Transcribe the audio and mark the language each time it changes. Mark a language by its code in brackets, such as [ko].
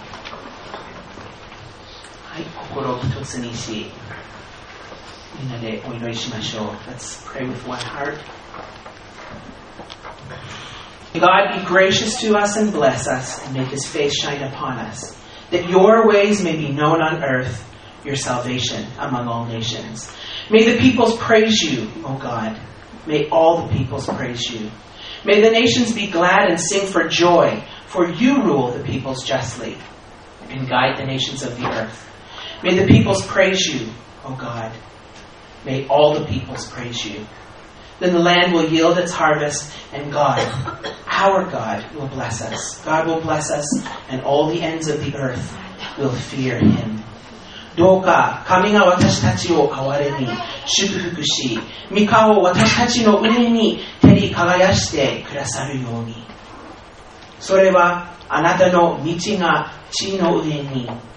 [ja] 最後のお祈りを、心を一つにし、みんなでお祈りしましょう。 [en] Let's pray with one heart. God, be gracious to us and bless us, and make His face shine upon us, that Your ways may be known on earth. Your salvation among all nations. May the peoples praise you, O God. May all the peoples praise you. May the nations be glad and sing for joy, for you rule the peoples justly and guide the nations of the earth. May the peoples praise you, O God. May all the peoples praise you. Then the land will yield its harvest, and God, our God, will bless us. God will bless us, and all the ends of the earth will fear Him. [ja] どうか神が私たちを憐れみ祝福し、御顔を私たちの上に照り輝してくださるように。それはあなたの道が地の上に